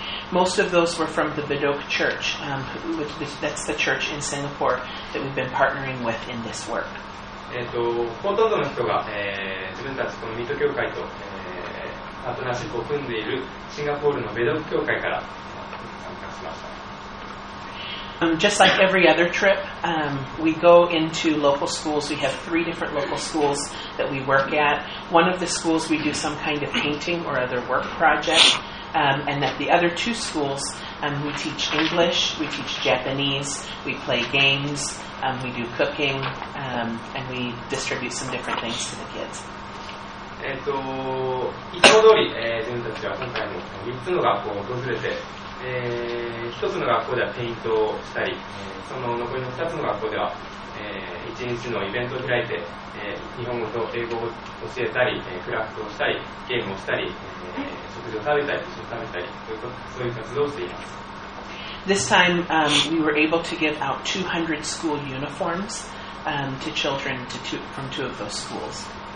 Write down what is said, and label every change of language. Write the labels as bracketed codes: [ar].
[en] Most of those were from the Bedok Church, that's the church in Singapore that we've been partnering with in this work. [ja] ほとんどの人が、自分たちこのミト教会と、パートナーシップを組んでいるシンガポールのベドク教会から参加しました。 [en] Just like every other trip, we go into local schools. We have three different local schools that we work at. One of the schools we do some kind of painting or other work project. And at the other two schools, we teach English, we teach Japanese, we play games, we do cooking, and we distribute some different things to the kids. [ja] いつも通り、自分たちは今回も3つの学校を訪れて、1つの学校ではペイントをしたり、その残りの2つの学校では、1日のイベントを開いて、日本語と英語を教えたり、クラフトをしたり、ゲームをしたり、食事を食べたり、一緒に食べたり、そういう活動をしています。 [en] This time, we were able to give out 200 school uniforms, to children from two of those schools.